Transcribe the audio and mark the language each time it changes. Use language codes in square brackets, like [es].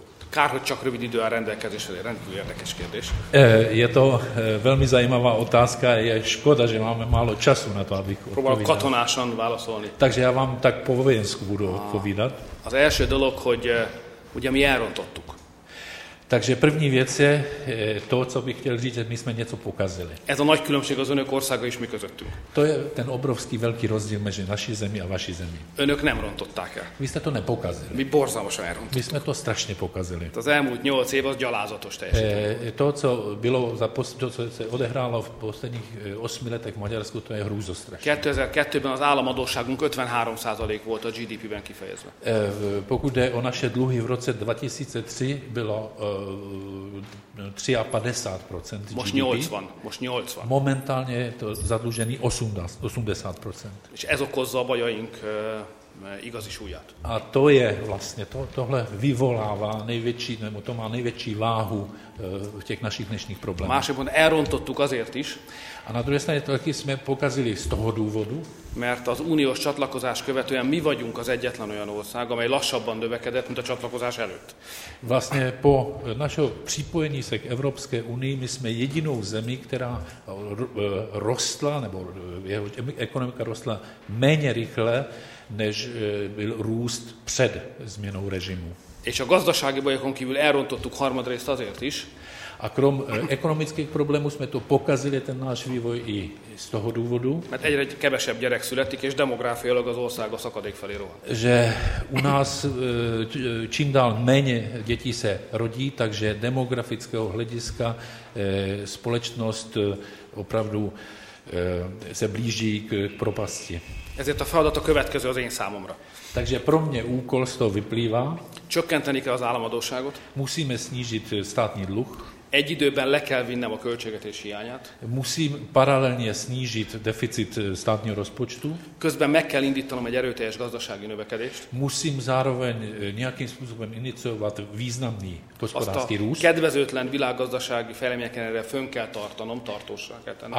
[hu] Kár, hogy csak rövid idő áll rendelkezésre, rendkívül érdekes kérdés. [cs] Je to velmi zajímavá otázka, je škoda, že máme málo času na to, abych odpovídal. [hu] Próbálok katonásan válaszolni. [cs] Takže já vám tak po vojensku budu odpovídat. [hu] Az első dolog, hogy ugye mi elrontottuk. [cs] Takže první věc je to, co bych chtěl říct, že my jsme něco pokazili. [hu] Ez a nagy különbség az önök országa és mi közöttünk. [cs] To je ten obrovský velký rozdíl mezi naší zemí a vaší zemí. [hu] Önök nem rontották el. [cs] Vy jste to nepokazili. [hu] Mi borzalmasan elrontottuk. [cs] My jsme to strašně pokazili. [hu] Az elmúlt 8 év az gyalázatos teljesítmény. [cs] To, co bylo to, co se odehrálo v posledních 8 letech v Maďarsku, to je hrůzostrašné. [hu] 2002-ben az államadósságunk 53% volt a GDP-ben kifejezve. [cs] Pokud jde o naše dluhy v roce 2003, bylo 53% GDP. [hu] Most 80, most 80. [cs] Momentálně je to zadlužený 80%. [hu] És ez okozza a bajaink igazi súlyát. [cs] A to je vlastně, tohle vyvolává největší, nebo to má největší váhu v těch našich dnešních problémů. [hu] Máš jebon elrontottuk azért is. [cs] A na druhé straně to taky jsme pokazili z toho důvodu. [hu] Mert az uniós csatlakozás követően mi vagyunk az egyetlen olyan ország, amely lassabban növekedett, mint a csatlakozás előtt. [cs] Vlastně po našeho připojení se k Evropské unii, my jsme jedinou zemí, která rostla, nebo jeho ekonomika rostla méně rychle, než byl růst před změnou režimu. [hu] És a gazdasági bajokon kívül elrontottuk harmadrészt azért is. [cs] A krom ekonomických problémů jsme to pokazili ten náš vývoj i z toho důvodu. [hu] Mert egyre kevesebb gyerek születik, és demográfiailag az ország a szakadék felé rohan. [cs] Že u nás čím dál méně dětí se rodí, takže demografického hlediska společnost opravdu se blíží k propasti. [hu] Ezért a feladat a következő az én számomra. [cs] Takže pro mě úkol z toho vyplývá. [hu] Csökkenteni kell az államadóságot. [cs] Musíme snížit státní dluh. [hu] Egy időben le kell vinnem a költségvetési hiányát. [cs] Musím paralelně snížit deficit státního rozpočtu. [hu] Közben meg kell indítanom egy erőteljes gazdasági növekedést. [cs] Musím zároveň nějakým způsobem iniciovat významný hospodářský růst. [hu] Azt a kedvezőtlen világgazdasági fejleményeken erre fönn kell tartanom, tartósra kell tennem.